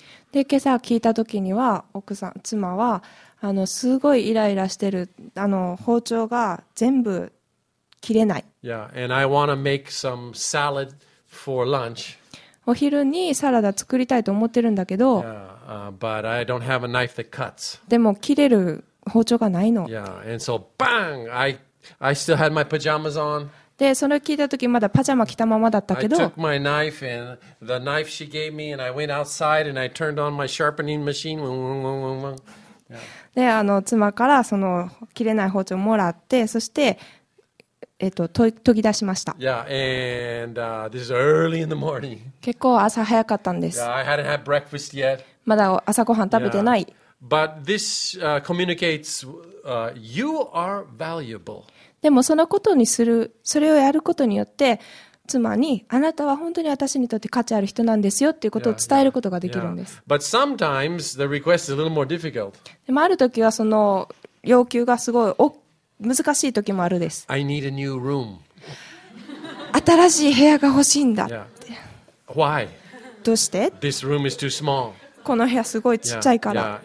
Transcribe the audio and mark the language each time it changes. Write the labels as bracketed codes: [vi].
[ja] で、今朝聞いた時には奥さん、妻はすごいイライラしてる。包丁が全部切れない。 [en] Yeah, and I want to make some salad for lunch. [ja] お昼にサラダ作りたいと思ってるんだけど。 [en] Yeah, but I don't have a knife that cuts. [ja] でも切れる包丁がないの。 [en] Yeah, and so bang, I still had my pajamas on. [ja] で、それを聞いたときまだパジャマ着たままだったけど。 [en] I took my knife and the knife she gave me and I went outside and I turned on my sharpening machine. Wum, wum, wum, wum, wum. [ja] で、妻からその切れない包丁をもらって、そして、研ぎ出しました。 [en] Yeah, and this is early in the morning. [ja] 結構朝早かったんです。 [en] Yeah, I hadn't had breakfast yet. [ja] まだ朝ごはん食べてない。 [en] Yeah. But this communicates. You are valuable. [ja] でもそのことにする、それをやることによって、妻にあなたは本当に私にとって価値ある人なんですよっていうことを伝えることができるんです。 [en] But sometimes the request is a little more difficult. [ja] でもある時はその要求がすごい難しい時もあるです。 [en] I need a new room. [ja] 新しい部屋が欲しいんだって。 [en] Yeah. Why? [ja] どうして? [en] This room is too small. [ja] この部屋すごいちっちゃいから。